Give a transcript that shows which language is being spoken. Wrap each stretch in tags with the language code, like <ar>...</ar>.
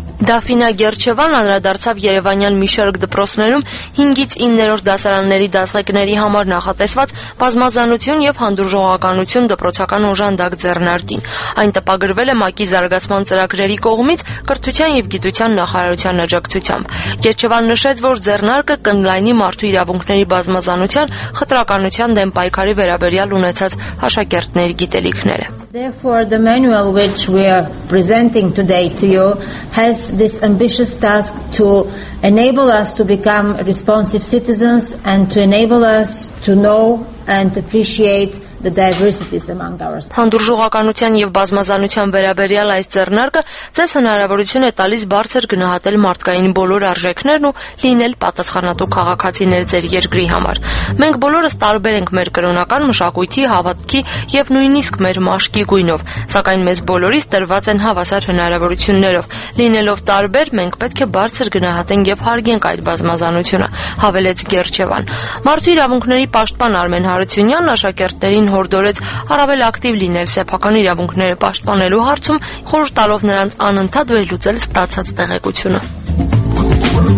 <hy>Դաֆինա Գերչևան անդրադարձավ Երևանյան մի շարք դպրոցներում 5-ից 9-րդ դասարանների դասակների համար նախատեսված բազմազանություն և հանդուրժողականություն դպրոցական օժանդակ ձեռնարկին։ Այն տպագրվել է ՄԱԿ-ի զարգացման ծրագրերի կողմից կրթության և գիտության նախարարության աջակցությամբ։ Գերչևան նշեց, որ ձեռնարկը կընդլայնի մարդու իրավունքների բազմազանության խտրականության դեմ պայքարի վերաբերյալ ունեցած հաշակերտների գիտելիքները։</hy> <en>Therefore, the manual which we are presenting today to you has this ambitious task to enable us to become responsive citizens and to enable us to know and appreciate the diversities among ours.</en> <hy>Հանդուրժողականության և բազմազանության վերաբերյալ այս ձեռնարկը ձեզ հնարավորություն է տալիս բարձր գնահատել մարդկային բոլոր արժեքներն ու լինել պատասխանատու քաղաքացիներ ձեր երկրի համար։ Մենք բոլորս տարբեր ենք մեր կրոնական մշակույթի, հավատքի և նույնիսկ մեր մաշկի գույնով, սակայն մեզ բոլորիս տրված են հավասար հնարավորություններով։ Լինելով տարբեր, մենք պետք է բարձր գնահատենք և հարգենք այդ բազմազանությունը, հավելեց Գերչևան։ Մարդու իրավունքների պաշտպան Արմեն Հարությունյանն աշակերտներին հորդորեց առավել ակտիվ լինել սեփական իրավունքները պաշտպանելու հարցում, խորհուրդ տալով նրանց անընդհատ վերլուծել ստացած տեղեկությունը։</hy>